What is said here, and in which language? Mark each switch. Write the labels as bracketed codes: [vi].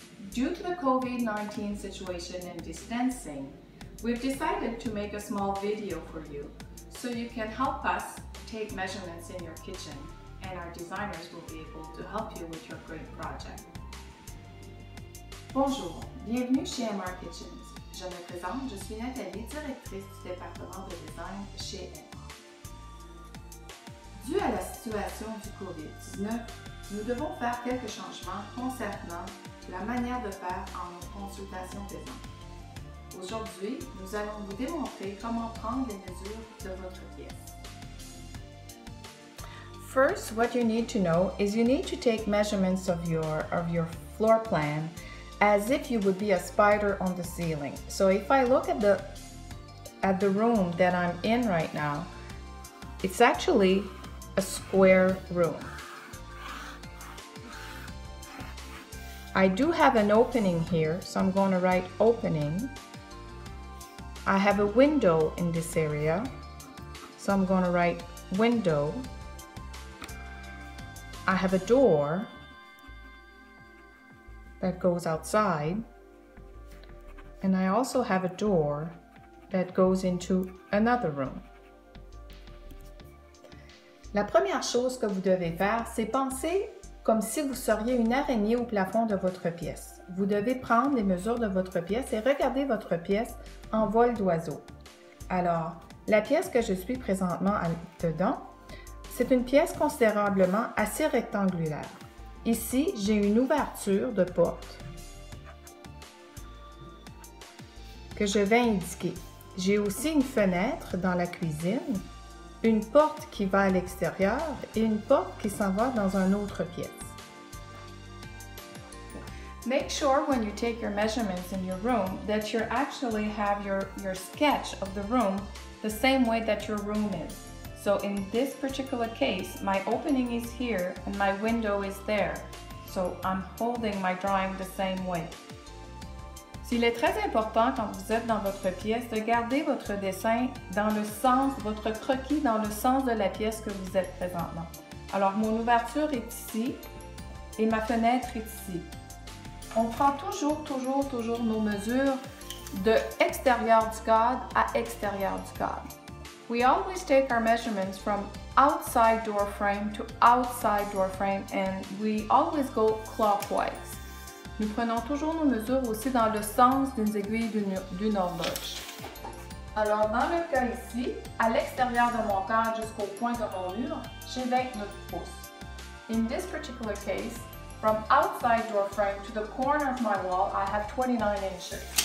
[en] Due to the COVID-19 situation and distancing, we've decided to make a small video for you so you can help us take measurements in your kitchen and our designers will be able to help you with your great project. [fr] Bonjour, bienvenue chez MR Kitchens. Je me présente, je suis Nathalie, directrice du département de design chez MR. Dû à la situation du COVID-19, nous devons faire quelques changements concernant la manière de faire en consultation design. Aujourd'hui, nous allons vous démontrer comment prendre les mesures de votre pièce. [en] First, what you need to know is you need to take measurements of your floor plan as if you would be a spider on the ceiling. So if I look at the room that I'm in right now, it's actually a square room. I do have an opening here, so I'm going to write opening. I have a window in this area, so I'm going to write window. I have a door that goes outside, and I also have a door that goes into another room. [fr] La première chose que vous devez faire, c'est penser comme si vous seriez une araignée au plafond de votre pièce. Vous devez prendre les mesures de votre pièce et regarder votre pièce en vol d'oiseau. Alors, la pièce que je suis présentement dedans, c'est une pièce considérablement assez rectangulaire. Ici, j'ai une ouverture de porte que je vais indiquer. J'ai aussi une fenêtre dans la cuisine, une porte qui va à l'extérieur et une porte qui s'en va dans une autre pièce. [en] Make sure when you take your measurements in your room that you actually have your sketch of the room the same way that your room is. So in this particular case, my opening is here and my window is there. So I'm holding my drawing the same way. [fr] Il est très important quand vous êtes dans votre pièce de garder votre dessin dans le sens, votre croquis dans le sens de la pièce que vous êtes présentement. Alors, mon ouverture est ici et ma fenêtre est ici. On prend toujours, toujours, toujours nos mesures de extérieur du cadre à extérieur du cadre. [en] We always take our measurements from outside door frame to outside door frame and we always go clockwise. [fr] Nous prenons toujours nos mesures aussi dans le sens d'une aiguille d'une horloge. Alors, dans le cas ici, à l'extérieur de mon cadre jusqu'au point de mon mur, j'ai 29 pouces. [en] In this particular case, from outside door frame to the corner of my wall, I have 29 inches.